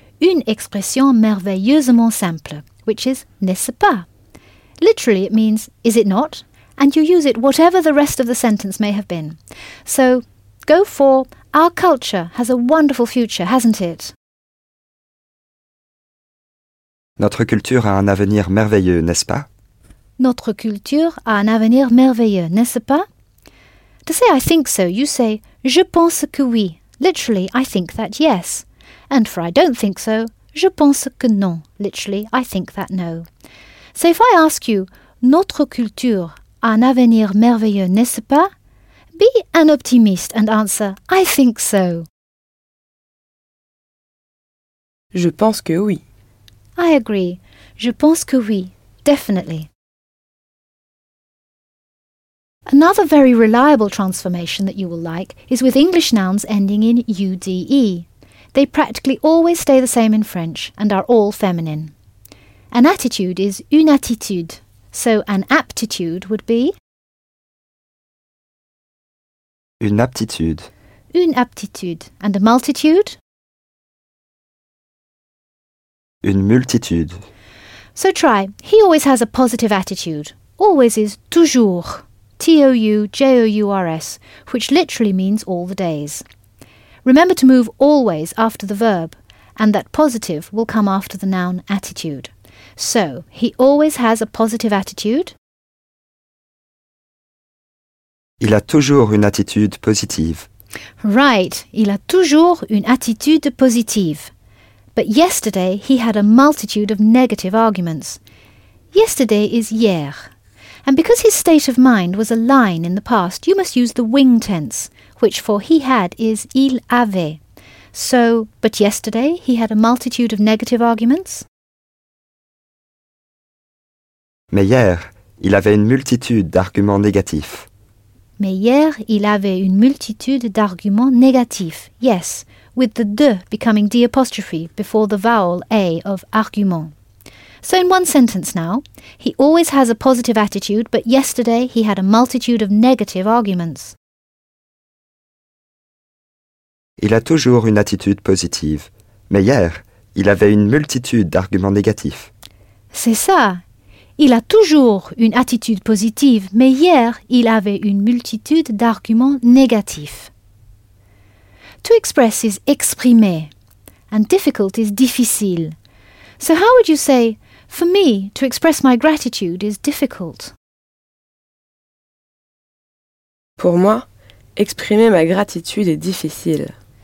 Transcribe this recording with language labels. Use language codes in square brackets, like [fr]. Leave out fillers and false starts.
[fr] Une expression merveilleusement simple, [en] which is [fr] n'est-ce pas? [en] Literally, it means, is it not? And you use it whatever the rest of the sentence may have been. So, go for, our culture has a wonderful future, hasn't it? [fr] Notre culture a un avenir merveilleux, n'est-ce pas? Notre culture a un avenir merveilleux, n'est-ce pas? [en] To say I think so, you say [fr] je pense que oui. [en] Literally, I think that yes. And for I don't think so, [fr] je pense que non. [en] Literally, I think that no. So if I ask you, [fr] notre culture a un avenir merveilleux, n'est-ce pas? [en] Be an optimist and answer, I think so. [fr] Je pense que oui. [en] I agree. [fr] Je pense que oui. [en] Definitely. Another very reliable transformation that you will like is with English nouns ending in UDE. They practically always stay the same in French and are all feminine. An attitude is une attitude, so an aptitude would be... [fr] Une aptitude. Une aptitude. [en] And a multitude? [fr] Une multitude. [en] So try, he always has a positive attitude. Always is toujours. T-O-U-J-O-U-R-S, which literally means all the days. Remember to move always after the verb, and that positive will come after the noun attitude. So, he always has a positive attitude. [fr] Il a toujours une attitude positive. [en] Right, [fr] il a toujours une attitude positive. [en] But yesterday, he had a multitude of negative arguments. Yesterday is hier. And because his state of mind was a line in the past, you must use the wing tense, which for he had is [fr] il avait. [en] So, but yesterday he had a multitude of negative arguments. [fr] Mais hier, il avait une multitude d'arguments négatifs. Mais hier, il avait une multitude d'arguments négatifs. [en] Yes, with the de becoming d apostrophe before the vowel a of argument. So in one sentence now, he always has a positive attitude, but yesterday he had a multitude of negative arguments. [fr] Il a toujours une attitude positive, mais hier, il avait une multitude d'arguments négatifs. C'est ça. Il a toujours une attitude positive, mais hier, il avait une multitude d'arguments négatifs. [en] To express is exprimer, and difficult is difficile. So how would you say... For me, to express my gratitude is difficult. [fr] Pour moi, exprimer ma gratitude est difficile.